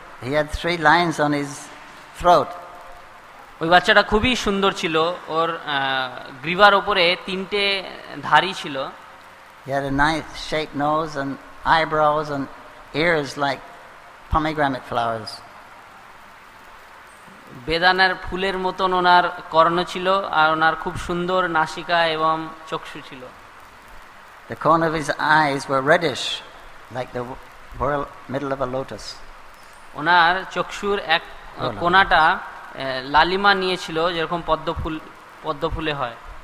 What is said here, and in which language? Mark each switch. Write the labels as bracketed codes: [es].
[en] He had three lines on his throat. [bn] ওই বাচ্চাটা খুবই সুন্দর ছিল, ওর গ্রীবার উপরে তিনটে ধারি ছিল। [en] He had a nice shaped nose and eyebrows and ears like pomegranate flowers. [bn] বেদানার ফুলের মতন ওনার কর্ণ ছিল আর ওনার খুব সুন্দর নাসিকা এবং চক্ষু ছিল। [en] The corner of his eyes were reddish like the whorl middle of a lotus. [bn] ওনার চক্ষুর এক কোণাটা লালিমা নিয়েছিল যেরকম পদ্মফুলে হয়।